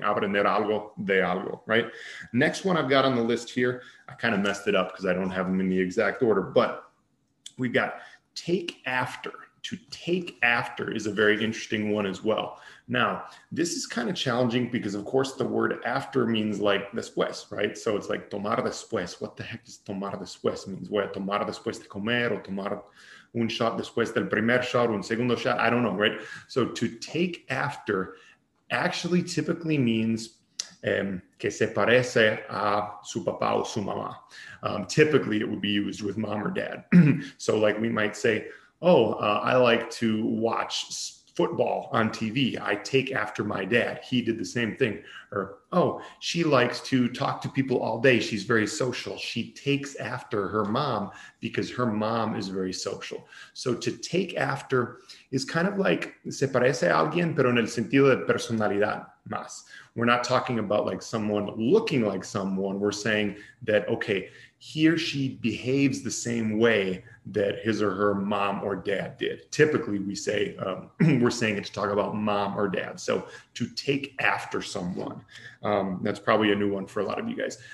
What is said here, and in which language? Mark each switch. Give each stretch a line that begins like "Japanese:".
Spanish: Aprender algo de algo,
English: right? Next one I've got on the list here, I kind of messed it up because I don't have them in the exact order, but we've got take after. To take after is a very interesting one as well. Now, this is kind of challenging because, of course, the word after means like después, right? So it's like
Spanish: tomar después.
English: What the heck does tomar después means?
Spanish: Voy a tomar después de comer o tomar un shot después del primer shot, un segundo shot.
English: I don't know, right? So to take after actually typically means
Spanish: que se parece a su papá o su mamá.
English: Typically, it would be used with mom or dad. So like we might say, oh, I like to watch football on TV. I take after my dad. He did the same thing. Or, oh, she likes to talk to people all day. She's very social. She takes after her mom because her mom is very social. So to take after is kind of like
Spanish: se parece a alguien, pero en el sentido de personalidad más.
English: We're not talking about like someone looking like someone. We're saying that, okay, he or she behaves the same way that his or her mom or dad did. Typically, we say, we're saying it to talk about mom or dad. So to take after someone, that's probably a new one for a lot of you guys.